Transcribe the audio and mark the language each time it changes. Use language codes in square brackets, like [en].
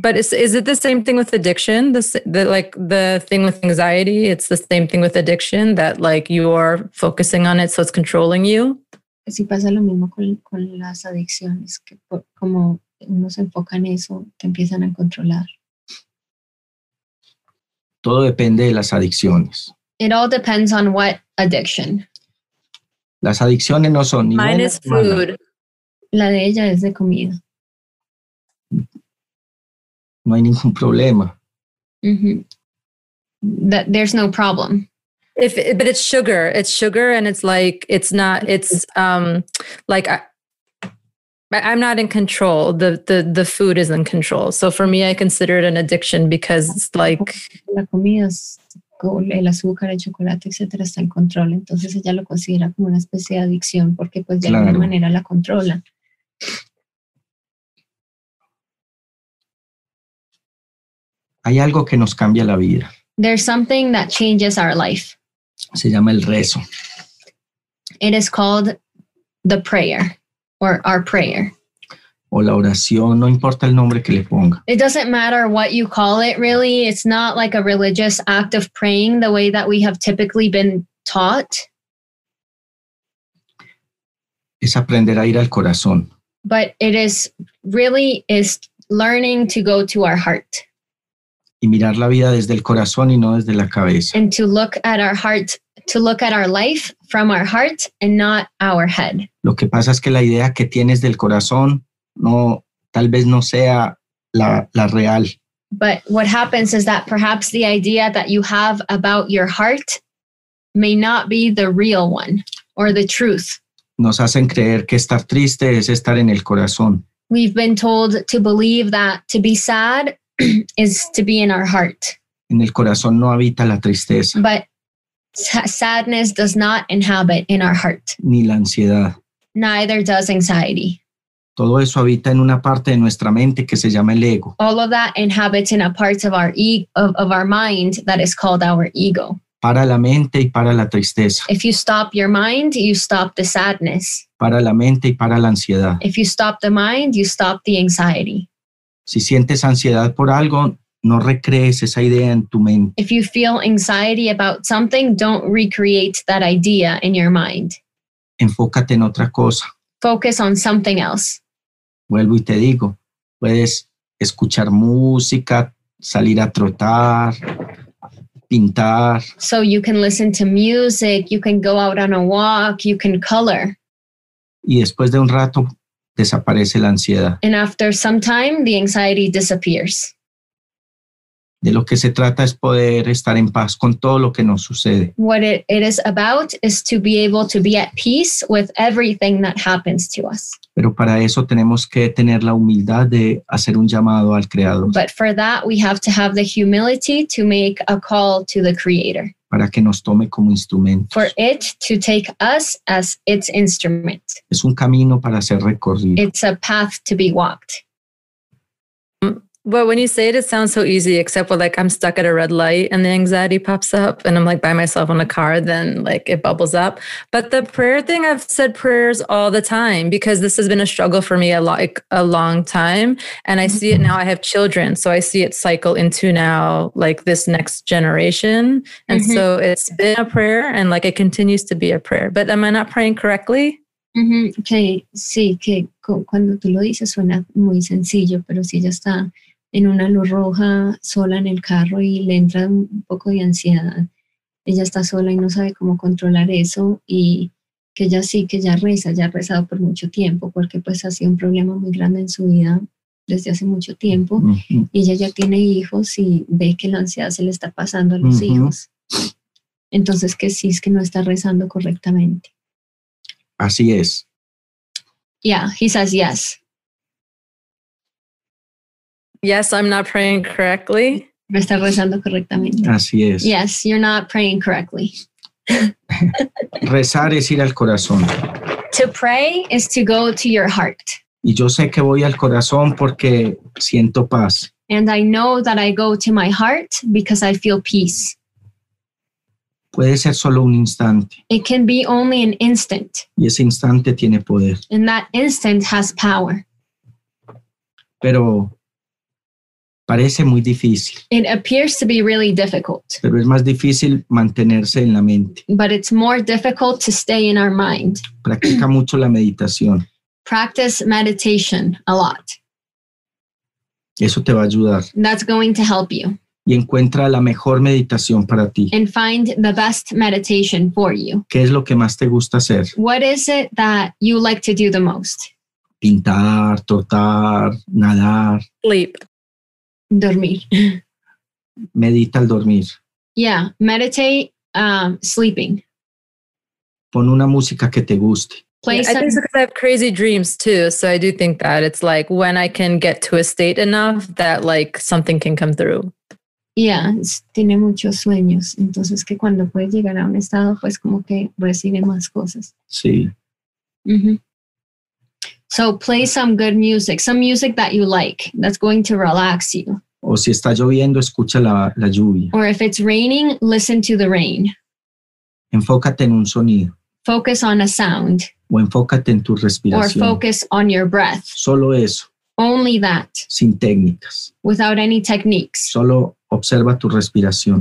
[en] But is it the same thing with addiction? The thing with anxiety, it's the same thing with addiction that like you're focusing on it so it's controlling you? [es] Sí, pasa lo mismo con las adicciones, que como uno se enfoca en eso, te empiezan a controlar. Todo depende de las adicciones. [en] It all depends on what addiction. [es] Las adicciones no son ni buenas. [en] Mine is food. [es] La de ella es de comida. No hay ningún problema. [en] Mm-hmm. That there's no problem. But it's sugar. It's sugar, and it's like it's not. It's like I'm not in control. The food is in control. So for me, I consider it an addiction because it's like [es] la comida es el azúcar, el chocolate, etcétera, está en control. Entonces ella lo considera como una especie de adicción porque pues de claro. alguna manera la controla. Hay algo que nos cambia la vida. [en] There's something that changes our life. [es] Se llama el rezo. [en] It is called the prayer or our prayer. [es] O la oración, no importa el nombre que le ponga. [en] It doesn't matter what you call it, really. It's not like a religious act of praying the way that we have typically been taught. [es] Es aprender a ir al corazón. [en] But it is really is learning to go to our heart. [es] Y mirar la vida desde el corazón y no desde la cabeza. [en] And to look at our heart, to look at our life from our heart and not our head. [es] Lo que pasa es que la idea que tienes del corazón no, tal vez no sea la real. [en] But what happens is that perhaps the idea that you have about your heart may not be the real one or the truth. [es] Nos hacen creer que estar triste es estar en el corazón. [en] We've been told to believe that to be sad is to be in our heart. [es] En el corazón no habita la tristeza. [en] But sadness does not inhabit in our heart. [es] Ni la ansiedad. [en] Neither does anxiety. [es] Todo eso habita en una parte de nuestra mente que se llama el ego. [en] All of that inhabits in a part of our mind that is called our ego. [es] Para la mente y para la tristeza. [en] If you stop your mind, you stop the sadness. [es] Para la mente y para la ansiedad. [en] If you stop the mind, you stop the anxiety. [es] Si sientes ansiedad por algo, no recrees esa idea en tu mente. [en] If you feel anxiety about something, don't recreate that idea in your mind. [es] Enfócate en otra cosa. [en] Focus on something else. [es] Vuelvo y te digo, puedes escuchar música, salir a trotar, pintar. [en] So you can listen to music, you can go out on a walk, you can color. [es] Y después de un rato desaparece la ansiedad. [en] And after some time, the anxiety disappears. [es] De lo que se trata es poder estar en paz con todo lo que nos sucede. [en] What it is about is to be able to be at peace with everything that happens to us. [es] Pero para eso tenemos que tener la humildad de hacer un llamado al Creador. [en] But for that, we have to have the humility to make a call to the Creator. [es] Para que nos tome como instrumentos. [en] For it to take us as its instrument. [es] Es un camino para ser recorrido. [en] It's a path to be walked. Well, when you say it, it sounds so easy, except for like I'm stuck at a red light and the anxiety pops up and I'm like by myself in a car, then like it bubbles up. But the prayer thing, I've said prayers all the time because this has been a struggle for me a long time. And I see it now. I have children. So I see it cycle into now like this next generation. And mm-hmm. So it's been a prayer and like it continues to be a prayer. But am I not praying correctly? Mm-hmm. Okay. [es] Sí, que cuando tú lo dices suena muy sencillo, pero sí ya está en una luz roja sola en el carro y le entra un poco de ansiedad. Ella está sola y no sabe cómo controlar eso y que ella sí que ya ha rezado por mucho tiempo porque pues ha sido un problema muy grande en su vida desde hace mucho tiempo. Uh-huh. Y ella ya tiene hijos y ve que la ansiedad se le está pasando a los uh-huh. hijos. Entonces que sí, es que no está rezando correctamente. Así es. [en] Yeah, he says yes. Yes, I'm not praying correctly. [es] Me está rezando correctamente. Así es. [en] Yes, you're not praying correctly. [es] Rezar es ir al corazón. [en] To pray is to go to your heart. [es] Y yo sé que voy al corazón porque siento paz. [en] And I know that I go to my heart because I feel peace. [es] Puede ser solo un instante. [en] It can be only an instant. [es] Y ese instante tiene poder. [en] And that instant has power. [es] Pero parece muy difícil. [en] It appears to be really difficult. [es] Pero es más difícil mantenerse en la mente. [en] But it's more difficult to stay in our mind. [es] Practica mucho la meditación. [en] Practice meditation a lot. [es] Eso te va a ayudar. [en] That's going to help you. [es] y encuentra la mejor meditación para ti. [en] And find the best meditation for you. [es] ¿Qué es lo que más te gusta hacer? [en] What is it that you like to do the most? [es] Pintar, trotar, nadar. [en] Sleep. [es] Dormir. Medita al dormir. [en] Yeah, meditate sleeping. [es] Pon una música que te guste. [en] Yeah, I think it's because I have crazy dreams too, so I do think that it's like when I can get to a state enough that like something can come through. [es] Yeah, tiene muchos sueños, entonces que cuando puedes llegar a un estado, pues como que recibe más cosas. Sí. Mm-hmm. [en] So play some good music, some music that you like, that's going to relax you. [es] O si está lloviendo, escucha la lluvia. [en] Or if it's raining, listen to the rain. [es] Enfócate en un sonido. [en] Focus on a sound. [es] O enfócate en tu respiración. [en] Or focus on your breath. [es] Solo eso. [en] Only that. [es] Sin técnicas. [en] Without any techniques. [es] Solo observa tu respiración.